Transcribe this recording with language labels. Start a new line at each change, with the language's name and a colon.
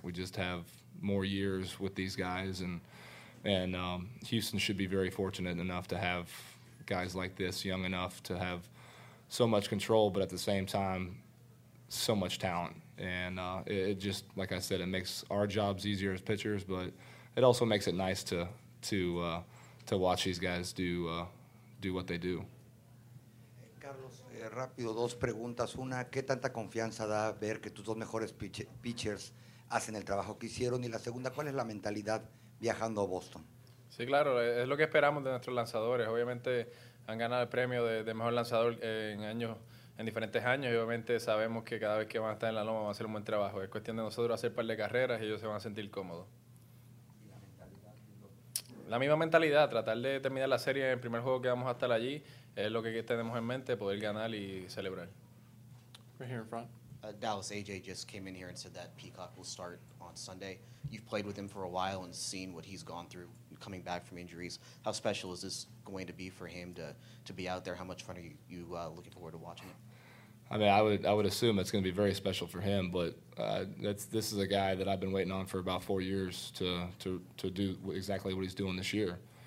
English: We just have more years with these guys, and Houston should be very fortunate enough to have guys like this, young enough to have so much control, but at the same time, so much talent. And it just, like I said, it makes our jobs easier as pitchers, but it also makes it nice to to watch these guys do do what they do.
Spanish: Carlos, rápido, dos preguntas. Una, ¿qué tanta confianza da ver que tus dos mejores pitchers hacen el trabajo que hicieron? Y la segunda, ¿cuál es la mentalidad viajando a Boston? Sí, claro, es lo que esperamos de nuestros lanzadores. Obviamente han ganado el premio de mejor lanzador en diferentes años, y obviamente sabemos que cada vez que van a estar en la loma van a hacer un buen trabajo. Es cuestión de nosotros hacer un par de carreras y ellos se van a sentir cómodos. La misma mentalidad, tratar de terminar la serie en el primer juego que vamos a estar allí, es lo que tenemos en mente, poder ganar y celebrar.
English: Right here in front. Dallas, AJ just came in here and said that Peacock will start on Sunday. You've played with him for a while and seen what he's gone through coming back from injuries. How special is this going to be for him to be out there? How much fun are you looking forward to watching it? I mean, I would assume it's going to be very special for him, but this is a guy that I've been waiting on for about 4 years to do exactly what he's doing this year.